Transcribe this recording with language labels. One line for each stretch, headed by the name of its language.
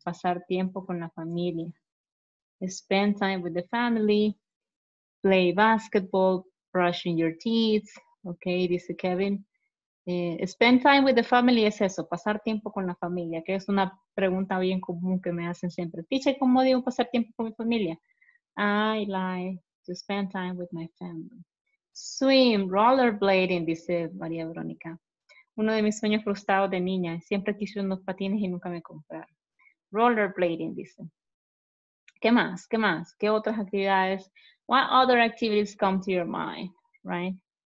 Spanish: Pasar tiempo con la familia.
English: Spend time with the family. Play basketball, brushing your teeth, okay,
Spanish: dice
English: Kevin. Spend time with the family
Spanish: es eso, pasar tiempo con la familia, que es una pregunta bien común que me hacen siempre. Teacher, ¿cómo digo pasar tiempo con mi familia?
English: I like to spend time with my family. Swim, rollerblading,
Spanish: dice
English: María Verónica.
Spanish: Uno de mis sueños frustrados de niña, siempre quise unos patines y nunca me compraron. Rollerblading, dice. ¿Qué más? ¿Qué más? ¿Qué otras actividades?
English: What other activities come to your mind, right?